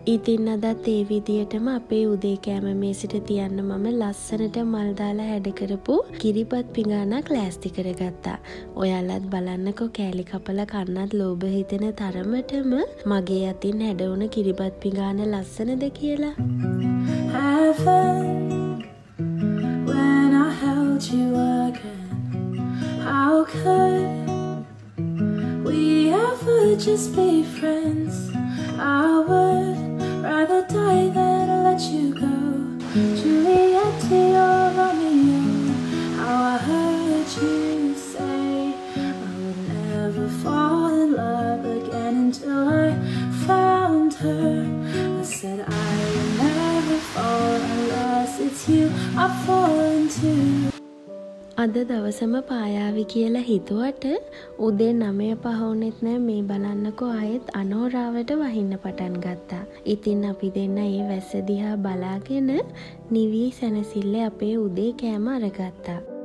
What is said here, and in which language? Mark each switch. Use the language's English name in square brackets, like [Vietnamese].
[Sinhala] ඉතින් අදත් ඒ විදියටම අපේ උදේ කෑම මේසෙට තියන්න මම ලස්සනට මල් දාලා හැඩ කරපු කිරිබත් පිඟානක් ලෑස්ති කරගත්තා. ඔයාලත් බලන්නකෝ කෑලි කපලා කන්නත් ලෝභ හිතෙන තරමටම මගේ අතින් හැඩ වුණ කිරිබත් පිඟාන ලස්සන කියලා. [English] I felt when I held you again, how could we ever just be friends? I would rather die than let you go. Juliet to your Romeo, how I heard you say I would never fall in love again until I found her. Said I will never fall unless it's you I fall into. [Sinhala] අද දවසම පායාවි කියලා හිතුවට උදේ 9:05 වුණෙත් නෑ මේ බලන්නකෝ ආයෙත් අනෝරාවට වහින්න පටන් ගත්තා. ඉතින් අපි දෙන්න ඒ වැස්ස දිහා බලාගෙන නිවි සැනසille අපේ උදේ කෑම අරගත්තා.